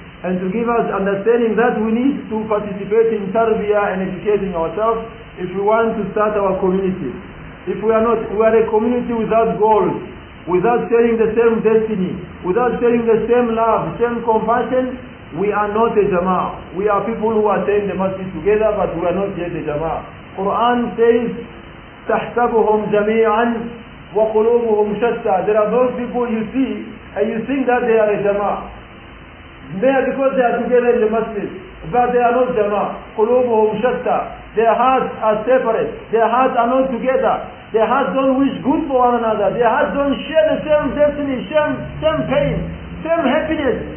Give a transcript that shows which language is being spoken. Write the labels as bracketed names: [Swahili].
[English] and to give us understanding that we need to participate in tarbiyah and educating ourselves if we want to start our community. If we are not, we are a community without goals, without sharing the same destiny, without sharing the same love, same compassion, we are not a jama'ah. We are people who attend the masjid together, but we are not yet a jama'ah. Quran says, [Arabic] تَحْسَبُهُمْ جَمِيعًا وَقُلُوبُهُمْ شَتَّى. [English] There are those people you see, and you think that they are a jama'ah. They are because they are together in the masjid, but they are not jama'ah. [Arabic] قُلُوبُهُمْ شَتَّى. [English] Their hearts are separate. Their hearts are not together. Their hearts don't wish good for one another. Their hearts don't share the same destiny, same pain, same happiness.